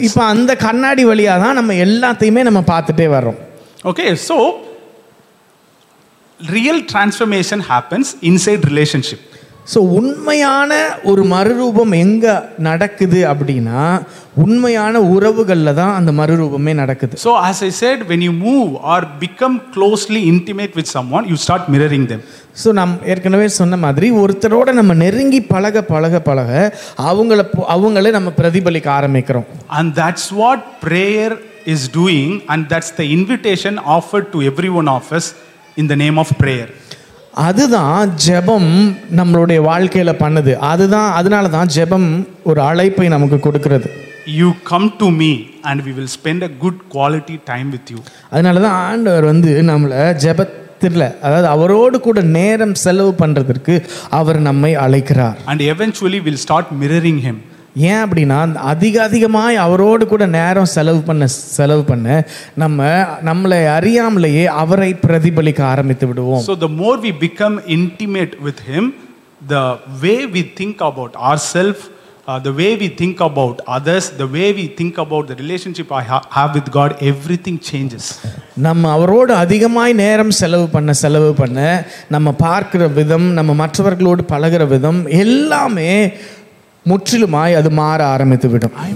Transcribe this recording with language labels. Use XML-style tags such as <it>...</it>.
<ta>So இப்ப அந்த கண்ணாடி வழியா தான் நம்ம எல்லாத்தையுமே நம்ம பார்த்துட்டே வரோம்.</ta> <en>Okay, so real transformation happens inside relationship.</en> <ta>So உண்மையான ஒரு மறுரூபம் எங்க நடக்குது அப்படினா, உண்மையான உறவுகள்ல தான் அந்த மறுரூபமே நடக்குது.</ta> <en>So as I said, when you move or become closely intimate with someone, you start mirroring them.</en> <ta>So நாம் ஏற்கனவே சொன்ன மாதிரி ஒருத்தரோட நம்ம நெருங்கி பழக அவங்களே நம்ம பிரதிபலிக்க ஆரம்பிக்கிறோம்.</ta> <en>And that's what prayer is doing, and that's the invitation offered to every one of us in the name of prayer.</en> <ta>அதுதான் ஜெபம் நம்மளுடைய வாழ்க்கையில பண்ணுது. அதுதான் அதனால தான் ஜெபம் ஒரு அழைப்பை நமக்கு கொடுக்கிறது.</ta> <en>You come to me and we will spend a good quality time with you.</en> <ta>அதனால தான் ஆண்டவர் வந்து நம்மள ஜெபத்தில், அதாவது அவரோடு கூட நேரம் செலவு பண்றதுக்கு அவர் நம்மை அழைக்கிறார்.</ta> <en>And eventually we'll start mirroring him.</en> <ta>ஏன் அப்படின்னா, அதிக அதிகமாய் அவரோடு கூட நேரம் செலவு பண்ண நம்மளை அறியாமலேயே அவரை பிரதிபலிக்க ஆரம்பித்து விடுவோம்.</ta> <en>So the more we become intimate with him, the way we think about ourselves, the way we think about others, the way we think about the relationship I have with God, everything changes.</en> <ta>நம்ம அவரோடு அதிகமாய் நேரம் செலவு பண்ண நம்ம பார்க்கிற விதம், நம்ம மற்றவர்களோடு பழகிற விதம் எல்லாமே முற்றிலுமாய் அது மாற ஆரம்பித்து விடும்.</ta>